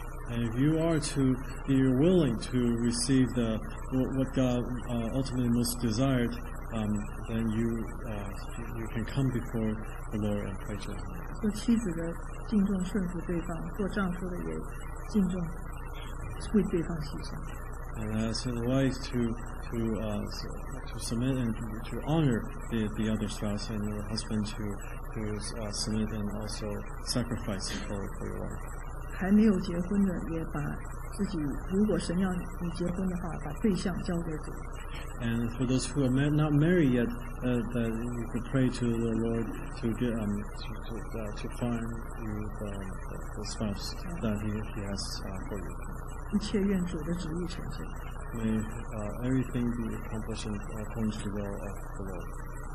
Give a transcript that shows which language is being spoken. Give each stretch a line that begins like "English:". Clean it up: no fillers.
English: And if you are to be willing to receive the what God ultimately most desired,then you can come before the Lord and pray to Him.
Chinese: 做妻子的敬重顺服对方，做丈夫的也敬重为对方牺牲。
English: And as a wife to submit and to honor the other spouse and your husband to submit and also sacrifice for your wife.
Chinese: 还没有结婚的也把自己，如果神要你结婚的话，把对象交给主。
English: And for those who are not married yet, that you could pray to the Lord to find you the spouse that He has for you.
Chinese: 一切愿主的旨意成就。
English: May everything be accomplished according to the will of the Lord.